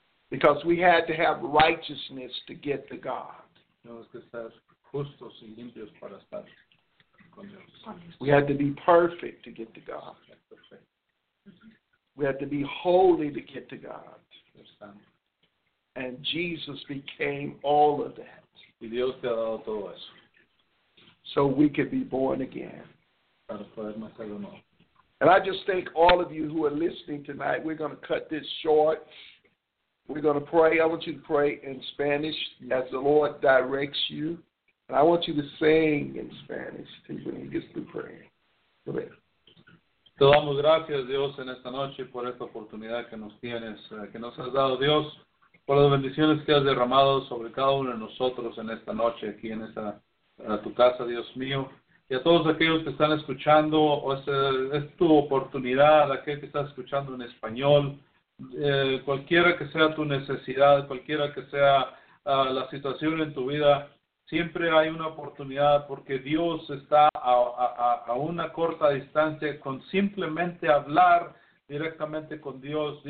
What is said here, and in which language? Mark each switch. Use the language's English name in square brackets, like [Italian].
[English] Because we had to have righteousness to get to God. [Spanish] Tenemos que estar justos y limpios para estar. [English] We had to be perfect to get to God. We had to be holy to get to God. And Jesus became all of that. [Spanish] Y Dios te ha dado todo eso. [English] So we could be born again. [Spanish] Para poder nacer de nuevo. [English] And I just think all of you who are listening tonight, we're going to cut this short. We're going to pray. I want you to pray in Spanish as the Lord directs you. And I want you to sing in Spanish too when he gets through praying. Go ahead. [Spanish] Te damos gracias, Dios, en esta noche por esta oportunidad que nos tienes, que nos has dado, Dios, por las bendiciones que has derramado sobre cada uno de nosotros en esta noche aquí en esta tu casa, Dios mío. Y a todos aquellos que están escuchando, o es tu oportunidad, aquel que está escuchando en español, cualquiera que sea tu necesidad, cualquiera que sea la situación en tu vida, siempre hay una oportunidad porque Dios está a una corta distancia con simplemente hablar directamente con Dios.